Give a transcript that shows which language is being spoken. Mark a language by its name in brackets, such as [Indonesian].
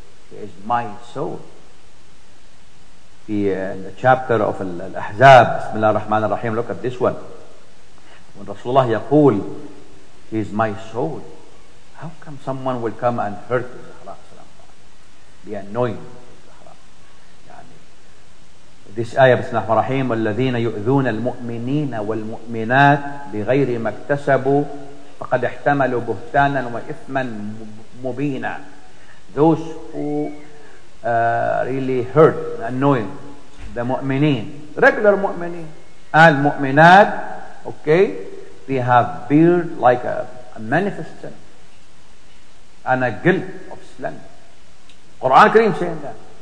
[English] She is my soul. In the chapter of Al-Ahzab, Bismillah ar-Rahman ar-Rahim, look at this one. When Rasulullah yaqul, she is my soul. How come someone will come and hurt Zahra? Be annoying. This ayah, [Arabic] Bismillah ar-Rahman ar-Rahim, وَالَّذِينَ يُؤْذُونَ الْمُؤْمِنِينَ وَالْمُؤْمِنَاتِ بِغَيْرِ مَا اكْتَسَبُوا فَقَدْ احْتَمَلُوا بُهْتَانًا وَإِثْمًا مُبِينًا. [English] Those who really hurt, annoying, the mu'mineen, regular mu'mineen, al-mu'minat, okay, they have beard like a manifest sin, and a guilt of slander. Quran Kareem saying that.